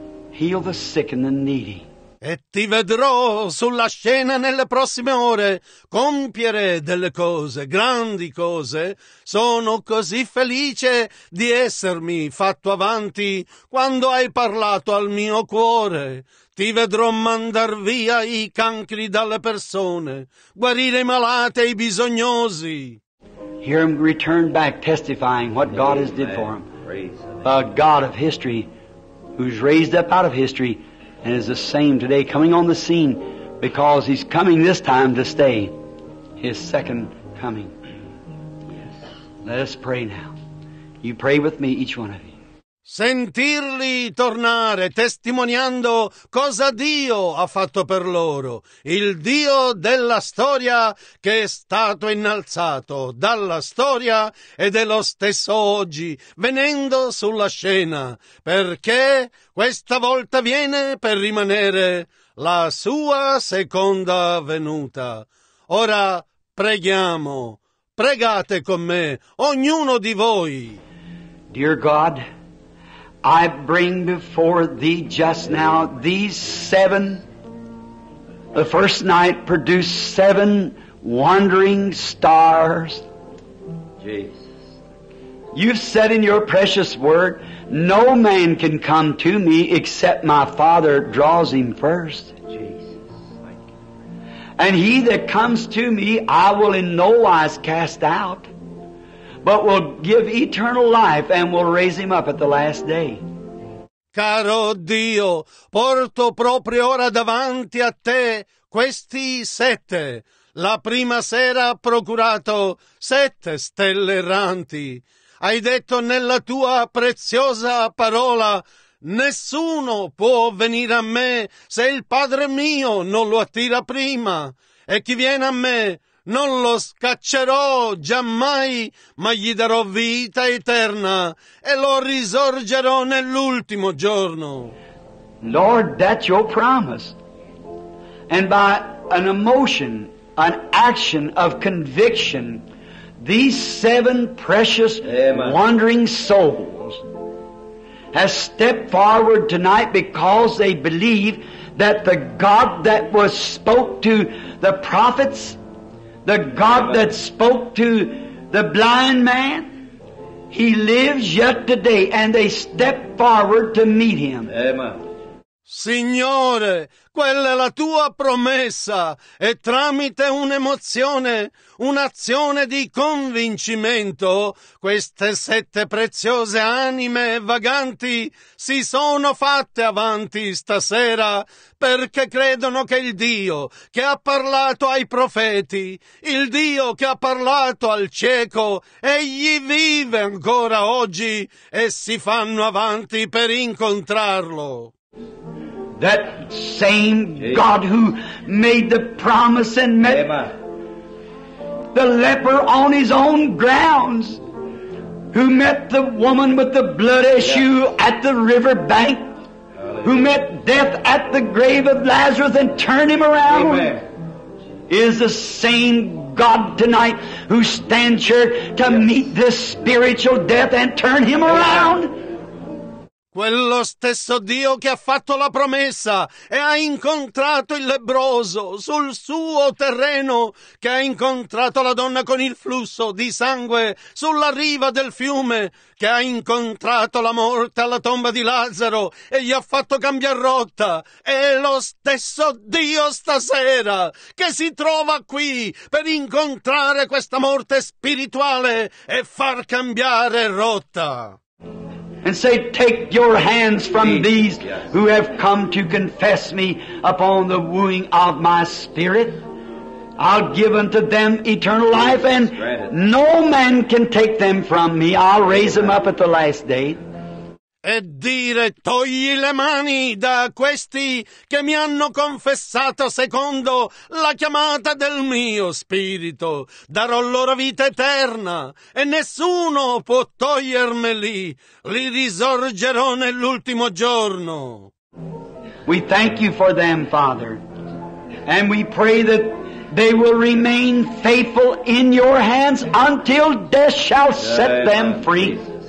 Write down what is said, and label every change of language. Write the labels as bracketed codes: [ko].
[en] Heal the sick and the needy. [it] E ti vedrò sulla scena nelle prossime ore compiere delle cose, grandi cose. Sono così felice di essermi fatto avanti quando hai parlato al mio cuore. Ti vedrò mandar via i cancri dalle persone, guarire i malati e i bisognosi. [en] Hear him return back testifying what Amen. God has did for him. A God of history who's raised up out of history and is the same today coming on the scene because he's coming this time to stay. His second coming. Yes. Let us pray now. You pray with me, each one of you. [it] Sentirli tornare testimoniando cosa Dio ha fatto per loro, il Dio della storia che è stato innalzato dalla storia ed è lo stesso oggi venendo sulla scena, perché questa volta viene per rimanere la sua seconda venuta. Ora preghiamo, pregate con me, ognuno di voi. [en] Dear God, I bring before thee just now these seven. The first night produced seven wandering stars. Jesus. You've said in your precious word, no man can come to me except my Father draws him first. Jesus. And he that comes to me, I will in no wise cast out, but will give eternal life and will raise him up at the last day. [it] Caro Dio, porto proprio ora davanti a te questi sette. La prima sera ha procurato sette stelle erranti. Hai detto nella tua preziosa parola, nessuno può venire a me se il Padre mio non lo attira prima. E chi viene a me non lo scaccerò giammai, ma gli darò vita eterna e lo risorgerò nell'ultimo giorno. [en] Lord, that's your promise. And by an emotion, an action of conviction, these seven precious Amen. Wandering souls have stepped forward tonight because they believe that the God that was spoke to the prophets, the God that spoke to the blind man, he lives yet today, and they step forward to meet him. Amen. [it] Signore, quella è la tua promessa, e tramite un'emozione, un'azione di convincimento, queste sette preziose anime vaganti si sono fatte avanti stasera perché credono che il Dio che ha parlato ai profeti, il Dio che ha parlato al cieco, egli vive ancora oggi e si fanno avanti per incontrarlo. [en] That same God who made the promise and met Amen. The leper on his own grounds, who met the woman with the blood issue yes. at the river bank, who met death at the grave of Lazarus and turned him around, Amen. Is the same God tonight who stands here to yes. meet this spiritual death and turn him Amen. Around. [it] Quello stesso Dio che ha fatto la promessa e ha incontrato il lebbroso sul suo terreno, che ha incontrato la donna con il flusso di sangue sulla riva del fiume, che ha incontrato la morte alla tomba di Lazzaro e gli ha fatto cambiare rotta, è lo stesso Dio stasera che si trova qui per incontrare questa morte spirituale e far cambiare rotta. [en] And say, take your hands from these who have come to confess me upon the wooing of my spirit. I'll give unto them eternal life, and no man can take them from me. I'll raise them up at the last day. [it] E dire, togli le mani da questi che mi hanno confessato secondo la chiamata del mio spirito. Darò loro vita eterna e nessuno può togliermeli. Li risorgerò nell'ultimo giorno. [en] We thank you for them, Father. And we pray that they will remain faithful in your hands until death shall set them free.